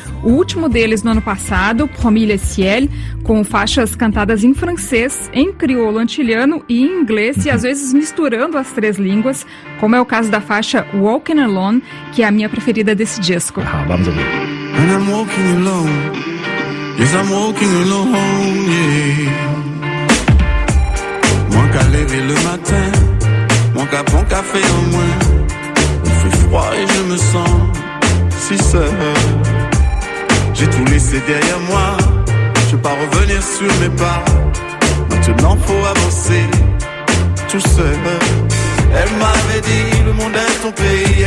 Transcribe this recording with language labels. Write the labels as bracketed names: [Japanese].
[Portuguese] O último deles no ano passado, Promis le ciel, com faixas cantadas em francês, em crioulo antilhano e em inglês, e às vezes misturando as 3 línguas, como é o caso da faixa Walking Alone, que é a minha preferida desse disco. Ah, vamos ouvir. [English] And I'm walking alone. Yes, I'm walking alone, yeah. [French] Moi qu'à lever le matin, moi qu'à prendre café en moins. Il fait froid et je me sens si seul. J'ai tout laissé derrière moi, je veux pas revenir sur mes pas. Maintenant faut avancer tout seul. Elle m'avait dit le monde est ton pays.